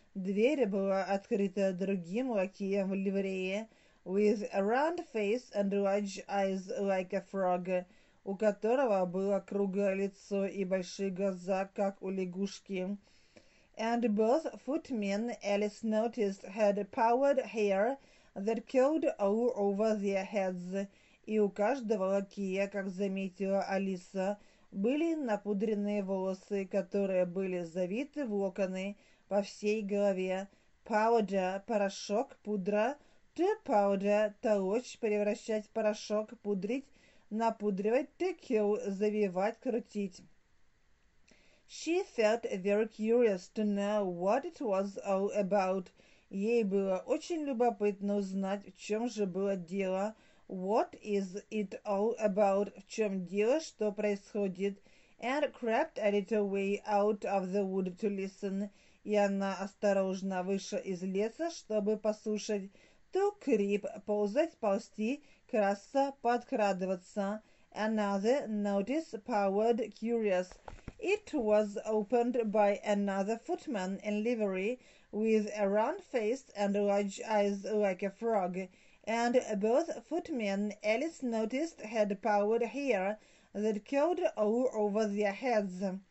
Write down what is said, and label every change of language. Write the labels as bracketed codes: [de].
[ru] Дверь была открыта другим лакеем в ливрее, [en] with a round face and large eyes like a frog, [ru] у которого было круглое лицо и большие глаза, как у лягушки. [en] And both footmen, Alice noticed, had powdered hair that curled all over their heads. [ru] И у каждого лакея, как заметила Алиса, были напудренные волосы, которые были завиты в локоны по всей голове. Powder – порошок, пудра. To powder – толочь, превращать в порошок, пудрить, напудривать. To curl – завивать, крутить. [en] She felt very curious to know what it was all about. [ru] Ей было очень любопытно узнать, в чем же было дело. [en] What is it all about? [ru] В чем дело, что происходит? [en] And crept a little way out of the wood to listen. [ru] И она осторожно вышла из леса, чтобы послушать. To creep, ползать, ползти, красться, подкрадываться. [en] Another notice powered curious. It was opened by another footman in livery with a round face and large eyes like a frog. And both footmen, Alice noticed, had powdered hair that curled all over their heads.